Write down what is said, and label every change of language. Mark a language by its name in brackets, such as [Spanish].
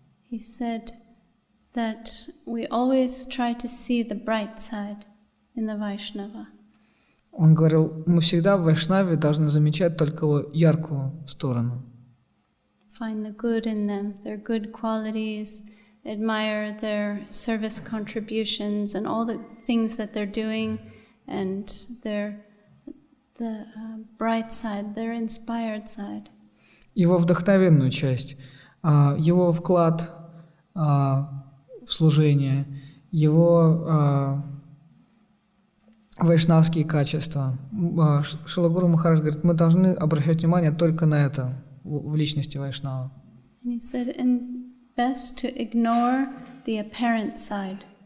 [English] He said that we always try to see the bright side in the Vaishnava. [Russian] Он говорил, мы всегда в вайшнаве должны замечать только его яркую сторону. [English] Find the good in them, their good qualities, admire their service contributions and all the things that they're doing and the bright side, their inspired side. [Russian] Его вдохновенную часть, его вклад в служение, его вайшнавские качества. Шрила Гуру Махарадж говорит, мы должны обращать внимание только на это в личности вайшнава. [English] And he said, and best to ignore the apparent side.